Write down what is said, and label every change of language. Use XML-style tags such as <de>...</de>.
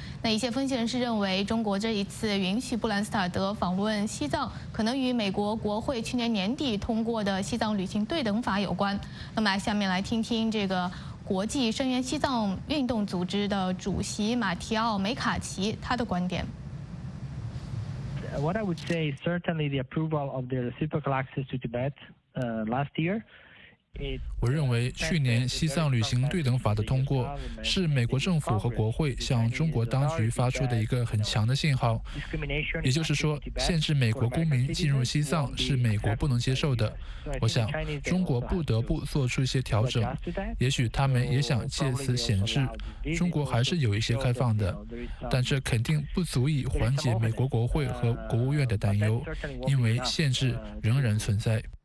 <zh>那一些分析人士认为，中国这一次允许布兰斯塔德访问西藏，可能与美国国会去年年底通过的西藏旅行对等法有关。那么下面来听听这个国际声援西藏运动组织的主席马提奥·梅卡奇他的观点。</zh> <en>What I would say is certainly the approval of the reciprocal access to Tibet last year.</en> <zh>我认为去年西藏旅行对等法的通过是美国政府和国会向中国当局发出的一个很强的信号，也就是说限制美国公民进入西藏是美国不能接受的。我想中国不得不做出一些调整，也许他们也想借此显示中国还是有一些开放的，但这肯定不足以缓解美国国会和国务院的担忧，因为限制仍然存在。</zh>